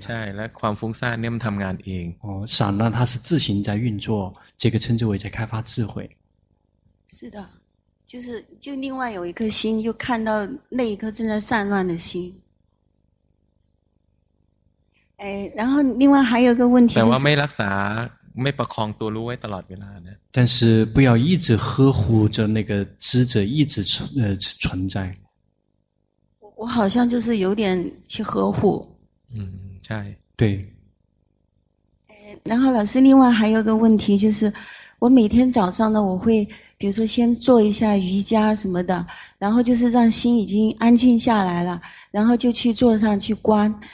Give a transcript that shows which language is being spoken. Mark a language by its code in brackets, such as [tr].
[th] บใช่และความฟุ้งซ่านเนี่ยมันทำงานเอง [zh] อ๋อ散乱它是自行在运作这个称之为在开发智慧是的就另外有一颗心又看到那一颗正在散乱的心哎然后另外还有一个问题、就是、 [th] แต่ว่าไม่รักษาไม่ประคองตัวรู้ไว้ตลอดเวลานะ [zh] 但是不要一直呵护着那个知者一直存在我好像就是有点去呵护。嗯，在对。然后老师，另外还有个问题就是，我每天早上呢，我会比如说先做一下瑜伽什么的，然后就是让心已经安静下来了，然后就去坐上去观。